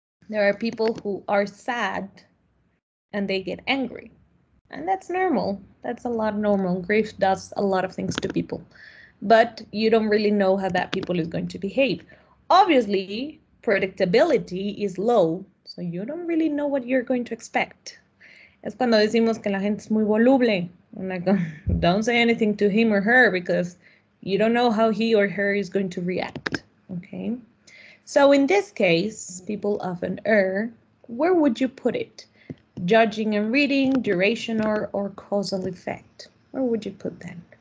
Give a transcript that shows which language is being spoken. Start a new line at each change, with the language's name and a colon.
English: There are people who are sad and they get angry. And that's normal. That's a lot normal. Grief does a lot of things to people. But you don't really know how that people is going to behave. Obviously, predictability is low, so you don't really know what you're going to expect.
Spanish: Es cuando decimos que la gente es muy voluble.
English: Like, don't say anything to him or her because you don't know how he or her is going to react. Okay. So in this case, people often err. Where would you put it? Judging and reading, duration or causal effect. Where would you put that?